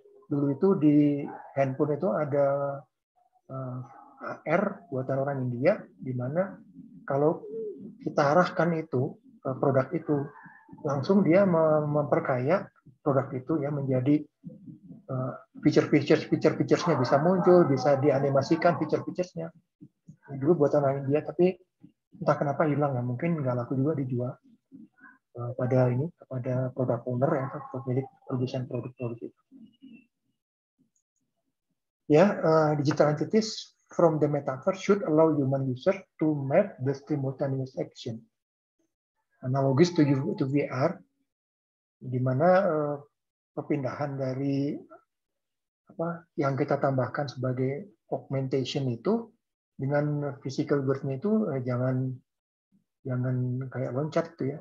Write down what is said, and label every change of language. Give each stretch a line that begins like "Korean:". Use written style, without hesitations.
Indonesian: Dulu itu di handphone itu ada AR buatan orang India di mana kalau kita arahkan itu produk itu langsung dia memperkaya produk itu ya menjadi feature-featuresnya bisa muncul, bisa dianimasikan feature-featuresnya. Dulu buatan orang India tapi entah kenapa hilang ya, mungkin nggak laku juga dijual pada ini kepada produk owner ya atau pemilik produsen produk-produk itu.
English: Ya, digital entities from the metaverse should allow human user to map the simultaneous action. Analogous to VR,
Indonesian: di mana perpindahan dari apa yang kita tambahkan sebagai augmentation itu dengan physical birth-nya itu jangan kayak loncat itu ya.